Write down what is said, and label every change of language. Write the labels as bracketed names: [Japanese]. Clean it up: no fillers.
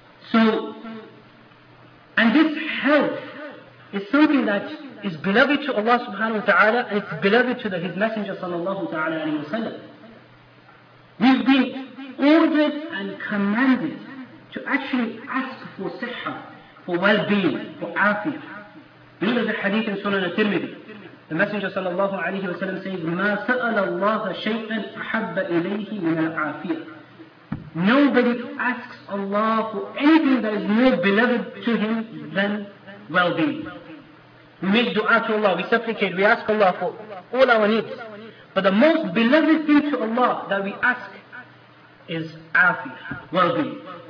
[English] So, and this health is something that is beloved to Allah subhanahu wa ta'ala, and it's beloved to His Messenger sallallahu ta'ala alayhi wa sallam. We've been ordered and commanded to actually ask for siha, for well-being, for afiyah. You know the hadith in Sunan al-Tirmidhi. The Messenger sallallahu alayhi wa sallam says, [Arabic] مَا سَأَلَ اللَّهَ شَيْئًا أَحَبَّ إِلَيْهِ مِنَ الْعَافِيَةِ. [English] Nobody asks Allah for anything that is more beloved to him than well-being. We make dua to Allah, we supplicate, we ask Allah for all our needs. But the most beloved thing to Allah that we ask is afiyah, well-being.